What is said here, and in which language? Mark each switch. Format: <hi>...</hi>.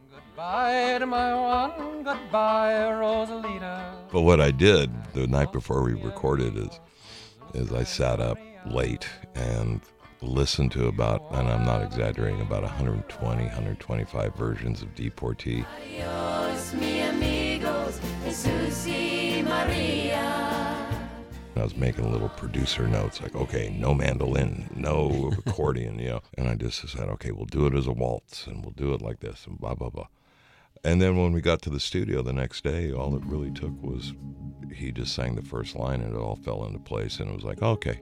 <en>Goodbye to my one, goodbye, Rosalita. But what I did the night before we recorded is I sat up late and listened to about, and I'm not exaggerating, about 120, 125 versions of Deportee.</en> <es>Adios, mi amigos, Jesús y María.</es> <en>I was making little producer notes like, okay, no mandolin, no accordion, you know. And I just said, okay, we'll do it as a waltz and we'll do it like this and blah, blah, blah. And then when we got to the studio the next day, all it really took was he just sang the first line and it all fell into place and it was like, okay.</en>